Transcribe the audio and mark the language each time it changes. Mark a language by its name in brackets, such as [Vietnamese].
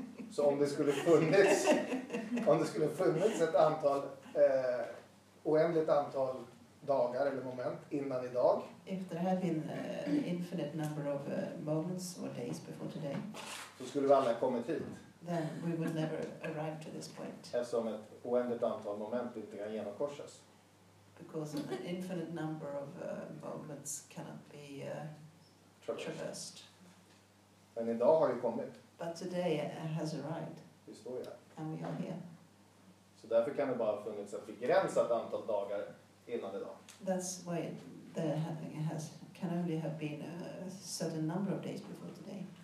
[Swedish] Så om det skulle funnits, om det skulle funnits ett antal oändligt antal dagar eller moment innan idag. [English] If there had been infinite number of moments or days before today. [Swedish] Så skulle vi aldrig kommit hit. [English] Then we would never arrive to this point. [Swedish] Eftersom ett oändligt antal moment inte kan genomkorsas. [English] Because an infinite number of moments cannot be traversed. [Swedish] Men idag har ju kommit. [English] But today it has arrived. [Swedish] Vi står här. [English] And we are here. [Swedish] Så därför kan det bara funnits ett begränsat antal dagar innan idag. [English] That's why the happening has can only have been a certain number of days before today.